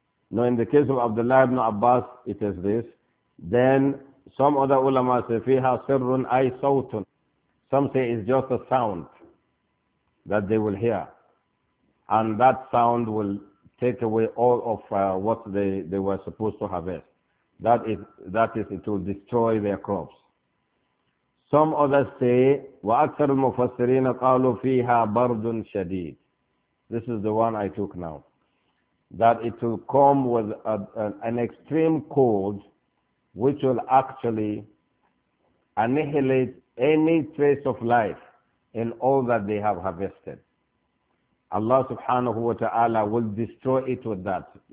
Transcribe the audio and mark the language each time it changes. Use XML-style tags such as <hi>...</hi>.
<en>Now, in the case of Abdullah ibn Abbas, it is this. Then some other ulama say,</en> <ar>فِيهَا سِرٌ أَيْ سَوْتٌ.</ar> <en>Some say it's just a sound that they will hear. And that sound will take away all of what they were supposed to harvest. That is, it will destroy their crops. Some others say,</en> <ar>وَأَكْثَرُ الْمُفَسِّرِينَ قَالُوا فِيهَا بَرْدٌ شَدِيدٌ.</ar> <en>This is the one I took now. That it will come with an extreme cold, which will actually annihilate any trace of life in all that they have harvested. Allah subhanahu wa ta'ala will destroy it with that.</en>